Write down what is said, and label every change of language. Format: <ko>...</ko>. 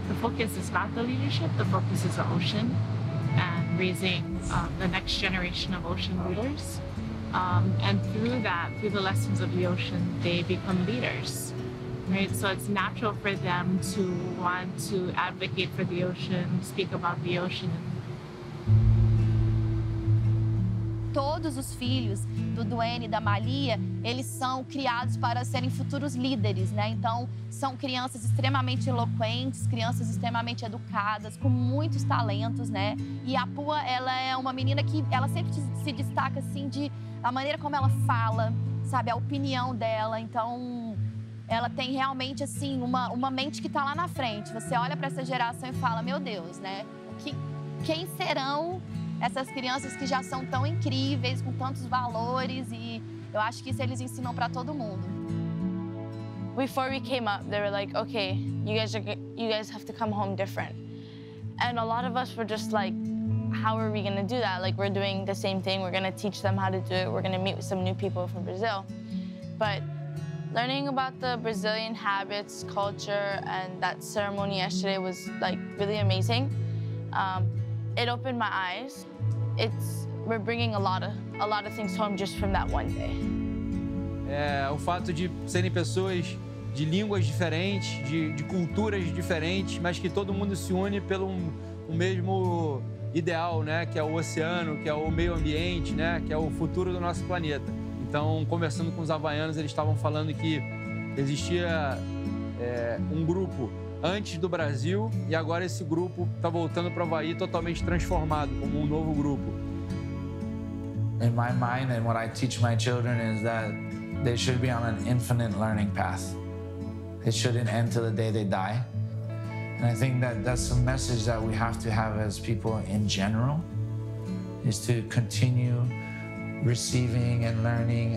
<en>The focus is not the leadership, the focus is the ocean and raising the next generation of ocean leaders. And through that, through the lessons of the ocean, they become leaders, right? So it's natural for them to want to advocate for the ocean, speak about the ocean.</en> <pt>Todos os filhos do Duane e da Malia, eles são criados para serem futuros líderes, né? Então, são crianças extremamente eloquentes, crianças extremamente educadas, com muitos talentos, né? E a Pua, ela é uma menina que ela sempre se destaca assim de a maneira como ela fala, sabe, a opinião dela. Então, ela tem realmente assim uma mente que tá lá na frente. Você olha para essa geração e fala: "Meu Deus, né? Quem serão essas crianças que já são tão incríveis, com tantos valores?" E eu acho que isso eles ensinam para todo mundo.</pt> <en>Before we came up, they were like, "Okay, you guys have to come home different." And a lot of us were just like, "How are we going to do that? Like, we're doing the same thing. We're going to teach them how to do it. We're going to meet with some new people from Brazil." But learning about the Brazilian habits, culture, and that ceremony yesterday was like really amazing. It opened my eyes. We're bringing a lot of things home just from that one day.</en> <pt>É, o fato de serem pessoas de línguas diferentes, de culturas diferentes, mas que todo mundo se une pelo um mesmo ideal, né, que é o oceano, que é o meio ambiente, né, que é o futuro do nosso planeta. Então, conversando com os havaianos, eles estavam falando que existia um grupo antes do Brasil e agora esse grupo está voltando para o Havaí totalmente transformado como um novo grupo.</pt> <en>In my mind and what I teach my children is that they should be on an infinite learning path. It shouldn't end till the day they die. And I think that that's a message that we have to have as people in general, is to continue receiving and learning.</en>